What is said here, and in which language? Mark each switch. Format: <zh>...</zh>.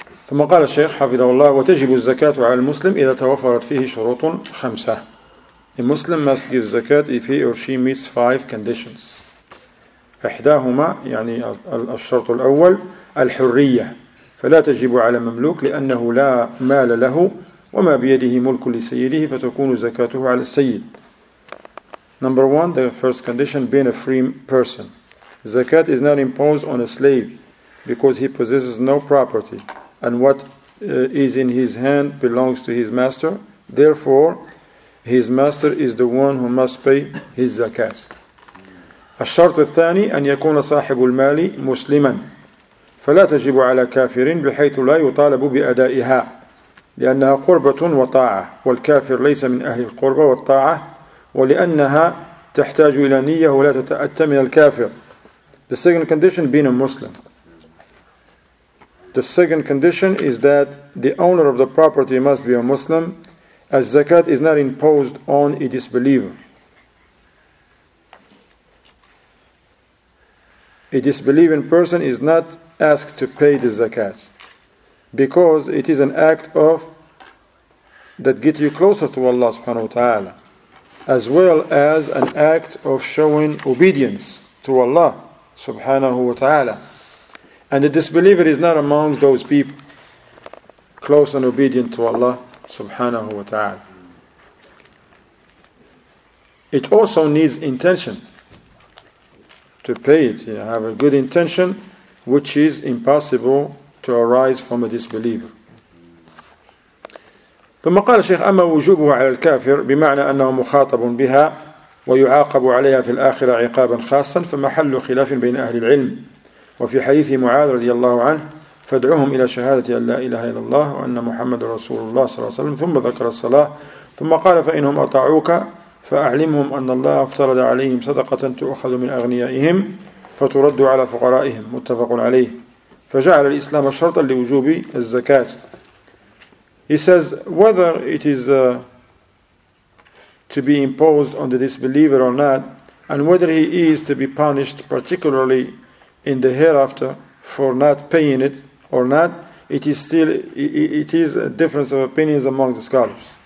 <ar>ثم قال الشيخ حفظه الله وتجب الزكاة على المسلم إذا توفرت فيه شروط خمسة.</ar> <en>A Muslim must give zakat if he or she meets five conditions.</en> <ar>إحداهما يعني الشرط الأول الحرية فلا تجب على مملوك لأنه لا مال له وما بيده ملك لسيده فتكون زكاته على السيد.</ar> <en>Number one, the first condition, being a free person. Zakat is not imposed on a slave because he possesses no property. And what is in his hand belongs to his master. Therefore, his master is the one who must pay his zakat.</en> <ar>الشرط الثاني أن يكون صاحب المال مسلما. فلا تجب على كافر بحيث لا يطالب بأدائها. لأنها قربة وطاعة. والكافر ليس من أهل القربة والطاعة. ولأنها تحتاج إلى نية ولا تتأتى من الكافر.</ar> <en>The second condition, being a Muslim. The second condition is that the owner of the property must be a Muslim, as zakat is not imposed on a disbeliever. A disbelieving person is not asked to pay the zakat, because it is an act of that gets you closer to Allah subhanahu wa ta'ala, as well as an act of showing obedience to Allah subhanahu wa ta'ala. And the disbeliever is not among those people close and obedient to Allah subhanahu wa ta'ala. It also needs intention to pay it. You have a good intention, which is impossible to arise from a disbeliever.</en> <ar>ثم قال الشيخ أما وجوبه على الكافر بمعنى أنه مخاطب بها ويعاقب عليها في الآخرة عقابا خاصا فمحل خلاف بين أهل العلم وفي حديث معاذ رضي الله عنه فادعوهم إلى شهادة أن لا إله إلا الله وأن محمد رسول الله صلى الله عليه وسلم ثم ذكر الصلاة ثم قال فإنهم أطاعوك فأعلمهم أن الله افترض عليهم صدقة تؤخذ من أغنيائهم فترد على فقرائهم متفق عليه فجعل الإسلام شرطا لوجوب الزكاة.</ar> <en>He says, whether it is to be imposed on the disbeliever or not, and whether he is to be punished particularly in the hereafter for not paying it or not, it is a difference of opinions among the scholars.</en>